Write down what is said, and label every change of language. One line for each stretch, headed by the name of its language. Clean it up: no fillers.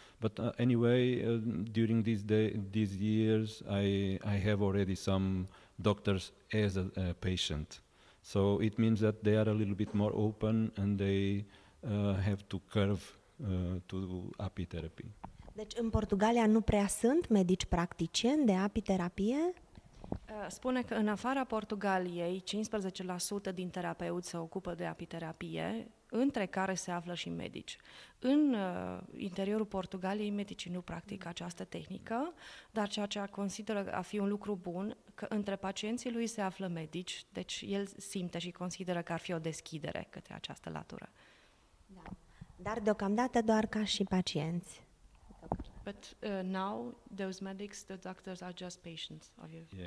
English: But anyway, during these years, I have already some doctors as a patient. So it means that they are a little bit more open and they have to curve to API therapy.
Romanian: Deci în Portugalia nu prea sunt medici practicieni de API terapie? Spune că în afara Portugaliei, 15% din terapeuți se ocupă de API terapie, între care se află și medici. În interiorul Portugaliei, medicii nu practică această tehnică, dar ceea ce consideră a fi un lucru bun, că între pacienții lui se află medici, deci el simte și consideră că ar fi o deschidere către această latură. Da. Dar deocamdată doar ca și pacienți.
English: But now those medics, the doctors are just patients of you.